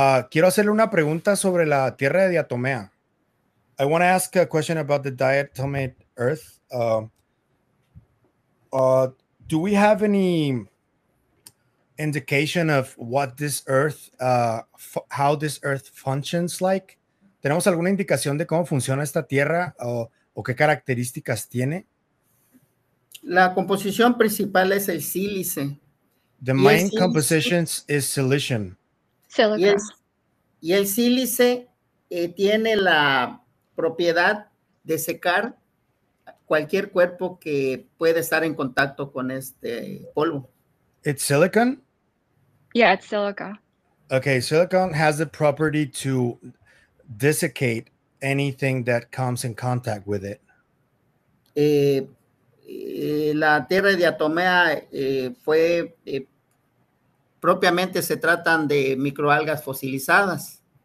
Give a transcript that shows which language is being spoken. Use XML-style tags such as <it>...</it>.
<es>Quiero hacerle una pregunta sobre la tierra de diatomea.</es> <en>I want to ask a question about the diatomate earth. Do we have any indication of what this earth, how this earth functions like?</en> <es>¿Tenemos alguna indicación de cómo funciona esta tierra o qué características tiene? La composición principal es el sílice.</es> <en>The main composition is silicon.</en> <es>Y el sílice tiene la propiedad de secar cualquier cuerpo que puede estar en contacto con este polvo.</es> <en>It's silicon? Yeah, it's silica. Okay, silicon has the property to desiccate anything that comes in contact with it.</en> <es>La tierra de diatomea fue propiamente se tratan de microalgas fosilizadas.</es>